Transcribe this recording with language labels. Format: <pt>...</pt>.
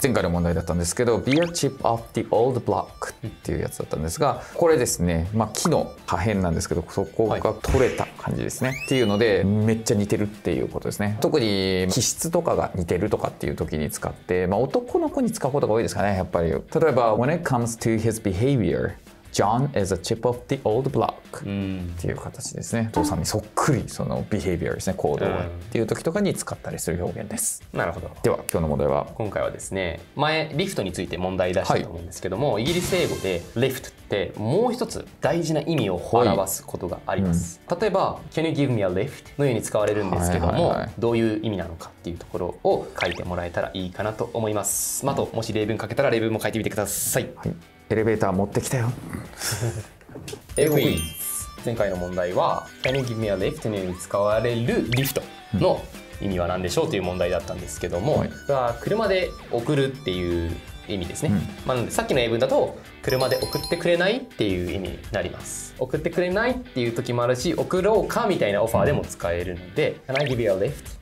<ja>前回の問題だったんですけど Be a chip of the old block っていうやつだったんですが、これですね、まあ、木の破片なんですけど、そこが取れた感じですね、はい、っていうのでめっちゃ似てるっていうことですね。特に気質とかが似てるとかっていう時に使って、まあ、男の子に使うことが多いですかね、やっぱり。</ja> <en>例えば When it comes to his behaviorJohn is a chip of the old block、うん、</en> <ja>っていう形ですね。父さんにそっくりそのビヘビアですね、行動、うん、っていう時とかに使ったりする表現です。なるほど。では今日の問題は、今回はですね、前リフトについて問題出したと思うんですけども、はい、イギリス英語でリフトってもう一つ大事な意味を表すことがあります、はい、うん、例えば Can you give me a lift? のように使われるんですけども、はいはいはい、どういう意味なのかっていうところを書いてもらえたらいいかなと思います。あと、もし例文書けたら例文も書いてみてください。はい、エレベーター持ってきたよ。英語クイズ。</ja> <en>前回の問題は Can you give me a lift?</en> <ja>のように使われるリフトの意味は何でしょうという問題だったんですけども、うん、車で送るっていう意味ですね、うん、まあ、なんでさっきの英文だと車で送ってくれないっていう意味になります。送ってくれないっていう時もあるし、送ろうかみたいなオファーでも使えるので、 Can I give you a lift?</ja>